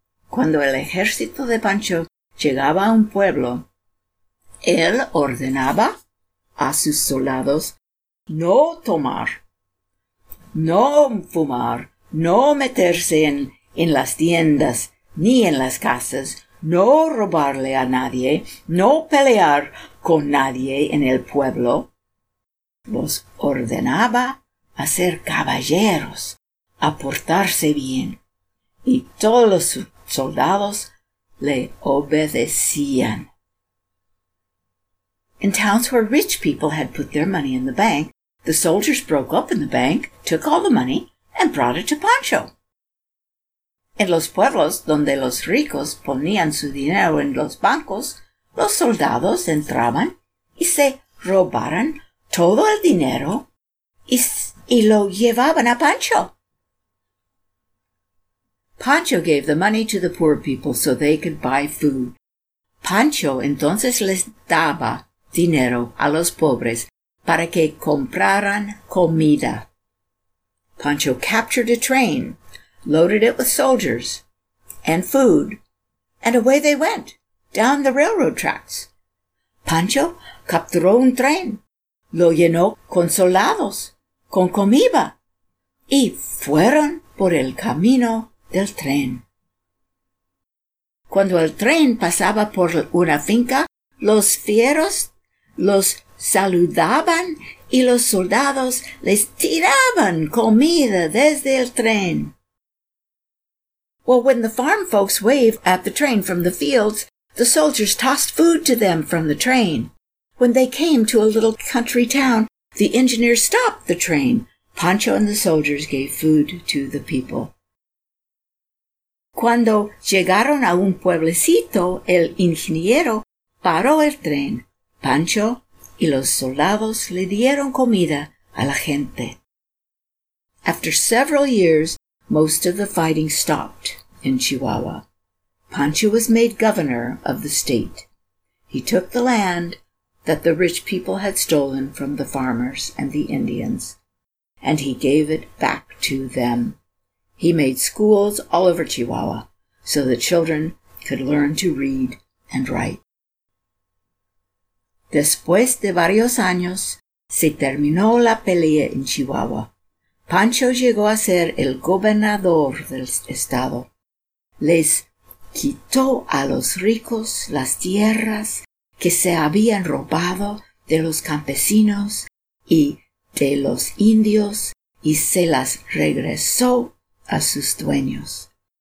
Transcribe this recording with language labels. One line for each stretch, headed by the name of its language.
Spanish: Cuando el ejército de Pancho llegaba a un pueblo, él ordenaba a sus soldados no tomar, no fumar, no meterse en las tiendas ni en las casas, no robarle a nadie, no pelear con nadie en el pueblo. Los ordenaba a ser caballeros, a portarse bien, y todos los soldados le obedecían.
English: In towns where rich people had put their money in the bank, the soldiers broke open the bank, took all the money, and brought it to Pancho.
Spanish: En los pueblos donde los ricos ponían su dinero en los bancos, los soldados entraban y se robaron todo el dinero y lo llevaban a Pancho.
English: Pancho gave the money to the poor people so they could buy food.
Spanish: Pancho entonces les daba dinero a los pobres para que compraran comida.
English: Pancho captured a train, loaded it with soldiers and food, and away they went down the railroad tracks.
Spanish: Pancho capturó un tren, lo llenó con soldados, con comida, y fueron por el camino del tren. Cuando el tren pasaba por una finca, los fieros los saludaban y los soldados les tiraban comida desde el tren.
English: Well, when the farm folks waved at the train from the fields, the soldiers tossed food to them from the train. When they came to a little country town, the engineer stopped the train. Pancho and the soldiers gave food to the people.
Spanish: Cuando llegaron a un pueblecito, el ingeniero paró el tren. Pancho y los soldados le dieron comida a la gente.
English: After several years, most of the fighting stopped in Chihuahua. Pancho was made governor of the state. He took the land that the rich people had stolen from the farmers and the Indians, and he gave it back to them. He made schools all over Chihuahua so the children could learn to read and write.
Spanish: Después de varios años, se terminó la pelea en Chihuahua. Pancho llegó a ser el gobernador del estado. Les quitó a los ricos las tierras que se habían robado de los campesinos y de los indios y se las regresó a sus dueños.